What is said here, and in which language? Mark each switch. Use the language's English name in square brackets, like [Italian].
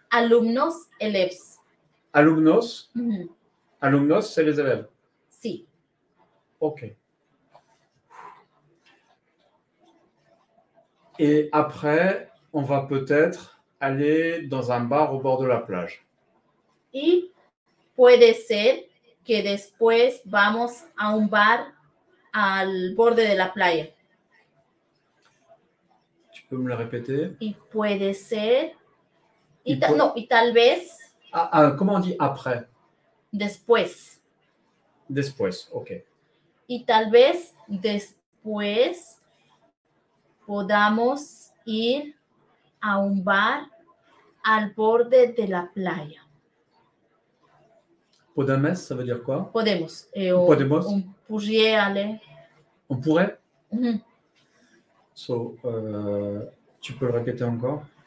[Spanish] Alumnos, [French] élèves. [Spanish] Alumnos. [French] Alumnos, c'est les élèves. [Spanish] Si. [French] OK. Et après, on va peut-être aller dans un bar au bord de la plage. [Spanish] Y puede ser que después vamos a un bar al borde de la playa. [French] Tu peux me le répéter? [Spanish] Y puede ser. Y tal vez. [French] Comment on dit après? [Spanish] Después. Después, OK. Y tal vez después podamos ir a un bar al borde de la playa. [French] Podemos, ça veut dire quoi? [Spanish] Podemos. Podemos. [French] On pourrait aller. On pourrait? Tu peux le répéter encore?